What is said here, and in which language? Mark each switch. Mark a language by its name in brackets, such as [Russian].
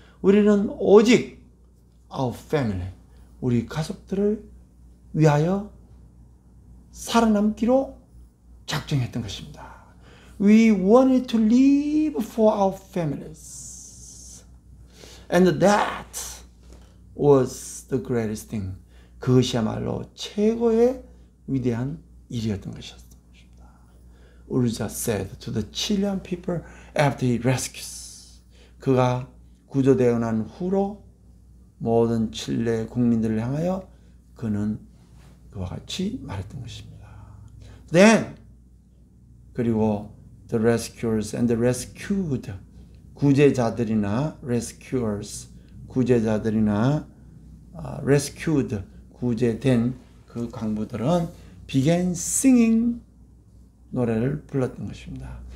[Korean] 우리는 오직 [English] our family, [Korean] 우리 가족들을 위하여 살아남기로 작정했던 것입니다. [English] We wanted to live for our families. And that was the greatest thing. [Korean] 그것이야말로 최고의 위대한 일이었던 것이었습니다. [English] Urza said to the Chilean people after he rescues. [Korean] 그가 구조되어 난 후로 모든 칠레 국민들을 향하여 그는 그와 같이 말했던 것입니다. [English] Then, [Korean] 그리고 [English] The rescuers and the rescued, [Korean] 구제자들이나 [English] rescuers, 구제자들이나 rescued, [Korean] 구제된 그 광부들은 [English] began singing [Korean] 노래를 불렀던 것입니다.